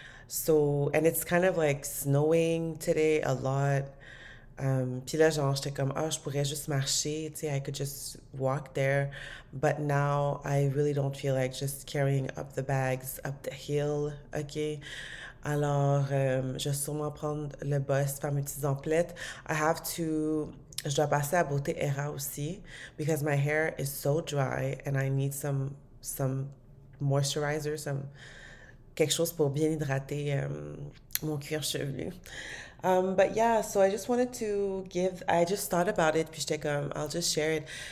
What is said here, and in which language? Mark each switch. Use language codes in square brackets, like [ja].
[en] So, and it's kind of like snowing today a lot. [fr] Puis là, genre, j'étais comme, ah, oh, je pourrais juste marcher, tu sais, [en] I could just walk there. But now, I really don't feel like just carrying up the bags up the hill, OK? [fr] Alors, je vais sûrement prendre le bus, faire mes petites emplettes. Je dois passer à Beauté Era aussi, [en] because my hair is so dry and I need some moisturizer, some [fr] quelque chose pour bien hydrater mon cuir chevelu. [en] But yeah, so I just wanted to give, I just thought about it, [fr] puis j'étais comme, [en] I'll just share it.